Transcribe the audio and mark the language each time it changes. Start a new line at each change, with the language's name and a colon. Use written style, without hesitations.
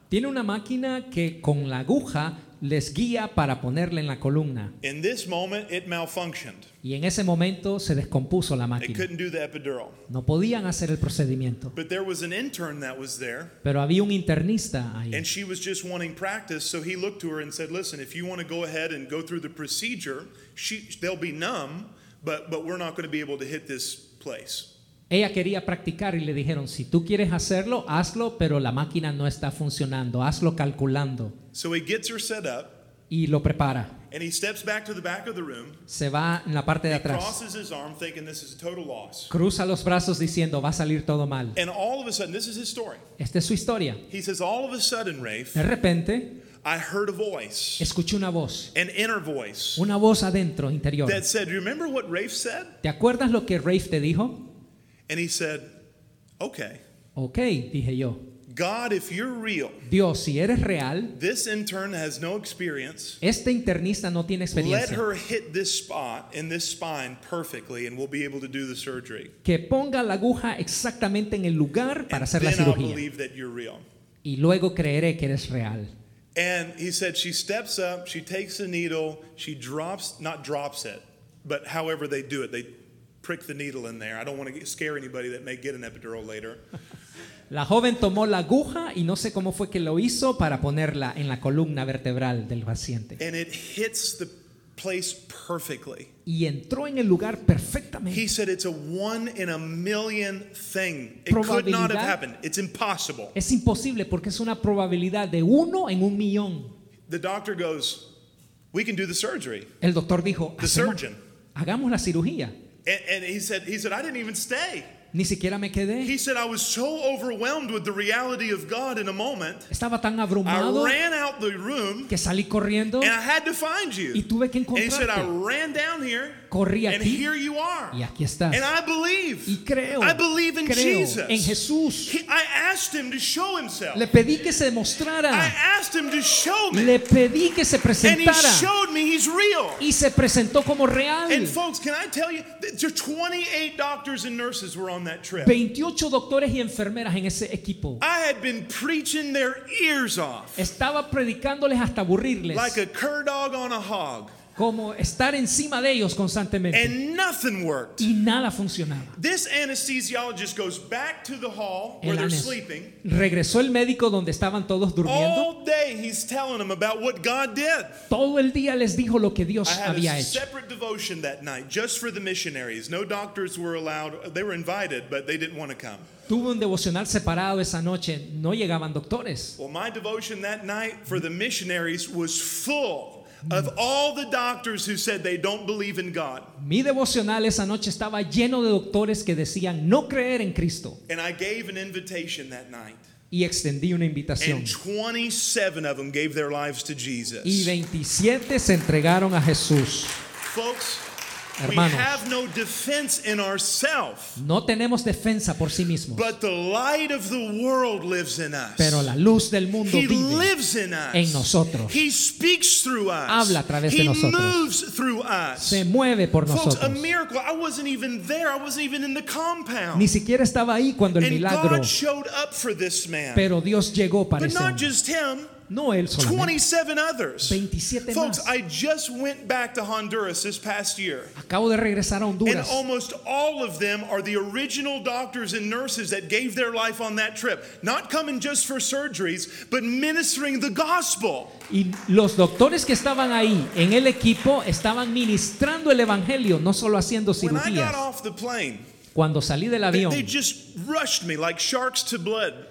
Spanish: Tiene una máquina que con la aguja les guía para ponerle en la columna.
English: In this moment, it malfunctioned.
Spanish: Y en ese momento se descompuso la máquina.
English: They couldn't do the epidural.
Spanish: No podían hacer el procedimiento.
English: But there was an intern that was there.
Spanish: Pero había un internista ahí.
English: And she was just wanting practice, so he looked to her and said, "Listen, if you want to go ahead and go through the procedure, they'll be numb, but we're not going to be able to hit this place."
Spanish: Ella quería practicar y le dijeron, si tú quieres hacerlo, hazlo, pero la máquina no está funcionando, hazlo calculando.
English: So he gets her set up,
Spanish: y lo prepara.
English: And he steps back to the back of the room,
Spanish: se va en la parte de atrás.
English: Crosses his arm, thinking this is a total loss.
Spanish: Cruza los brazos diciendo, va a salir todo mal.
English: And all of a sudden, this is his story.
Spanish: Esta es su historia.
English: He says, all of a sudden, Rafe,
Spanish: de repente,
English: I heard a voice.
Spanish: Escuché una voz.
English: An inner voice.
Spanish: Una voz adentro, interior.
English: That said, remember what Rafe said?
Spanish: ¿Te acuerdas lo que Rafe te dijo?
English: And he said, okay.
Spanish: Okay, dije yo.
English: God, if you're real,
Spanish: Dios, si eres real,
English: this intern has no experience.
Spanish: Este internista no tiene experiencia.
English: Let her hit this spot in this spine perfectly, and we'll be able to do the surgery.
Spanish: Que ponga la aguja exactamente en el lugar para
English: and
Spanish: hacer
English: then
Spanish: la cirugía.
English: I'll believe that you're real.
Spanish: Y luego creeré que eres real.
English: And he said she steps up, she takes the needle, she drops, not drops it, but however they do it, they prick the needle in there. I don't want to scare anybody that may get an epidural later.
Spanish: La joven tomó la aguja y no sé cómo fue que lo hizo para ponerla en la columna vertebral del paciente.
English: And it hits the place perfectly.
Spanish: Y entró en el lugar perfectamente.
English: He said it's a one in a million thing. It could not have happened. It's impossible.
Spanish: Es imposible porque es una probabilidad de uno en un millón.
English: The doctor goes, we can do the surgery.
Spanish: El doctor dijo,
English: the surgeon.
Spanish: Hagamos la cirugía.
English: And he said I didn't even stay.
Spanish: Ni siquiera me quedé.
English: He said I was so overwhelmed with the reality of God in a moment.
Spanish: Estaba tan abrumado.
English: I ran out the room.
Spanish: Que salí corriendo.
English: And I had to find you.
Spanish: Y tuve que encontrarte.
English: And he said I ran down here.
Spanish: Corrí aquí.
English: And here you are.
Spanish: Y aquí estás.
English: And I believe.
Spanish: Y creo.
English: I believe in
Spanish: creo
English: Jesus.
Spanish: En Jesús.
English: I asked him to show himself.
Spanish: Le pedí que se mostrara.
English: I asked him to show me.
Spanish: Le pedí que se presentara.
English: And he showed me he's real.
Spanish: Y se presentó como real.
English: And folks, can I tell you, there 28 doctors and nurses were on that trip.
Spanish: 28 doctores y enfermeras en ese equipo.
English: I had been preaching their ears off.
Spanish: Estaba predicándoles hasta aburrirles.
English: Like a cur dog on a hog.
Spanish: Como estar encima de ellos constantemente.
English: And nothing worked.
Spanish: Y nada funcionaba.
English: This anesthesiologist goes back to the hall where they're sleeping.
Spanish: Regresó el médico donde estaban todos durmiendo.
English: All day he's telling them about what God did.
Spanish: Todo el día les dijo lo que Dios había hecho.
English: I had a separate devotion that night just for the missionaries. No doctors were allowed. They were invited, but they didn't want to come.
Spanish: Tuve un devocional separado esa noche. No llegaban doctores.
English: Well, my devotion that night for the missionaries was full. Of all the doctors who said they don't believe in God.
Spanish: Mi devocional esa noche estaba lleno de doctores que decían no creer en Cristo.
English: And I gave an invitation that night.
Spanish: Y extendí una invitación.
English: And 27 of them gave their lives to Jesus.
Spanish: Y 27 se entregaron a Jesús.
English: Folks,
Spanish: hermanos,
English: we have no defense in ourselves.
Spanish: No tenemos defensa por sí mismos.
English: But the light of the world lives in us.
Spanish: Pero la luz del mundo
English: he
Spanish: vive
English: lives in us.
Spanish: En nosotros.
English: He speaks through us.
Spanish: Habla a través
English: he
Spanish: de nosotros.
English: Moves through us.
Spanish: Se mueve por
English: folks,
Spanish: nosotros.
English: A miracle. I wasn't even there. I wasn't even in the compound.
Spanish: Ni siquiera estaba ahí cuando el
English: and
Spanish: milagro.
English: God showed up for this man.
Spanish: Pero Dios llegó para
English: but
Spanish: ese hombre.
English: Not just him.
Spanish: No, él solamente.
English: 27 others.
Spanish: 27
English: folks,
Spanish: más.
English: I just went back to Honduras this past year.
Spanish: Acabo de regresar a Honduras.
English: And almost all of them are the original doctors and nurses that gave their life on that trip. Not coming just for surgeries, but ministering the gospel.
Spanish: Y los doctores que estaban ahí en el equipo estaban ministrando el evangelio, no solo haciendo cirugías.
English: When I got off the plane,
Spanish: cuando salí del avión,
English: they just rushed me like sharks to blood.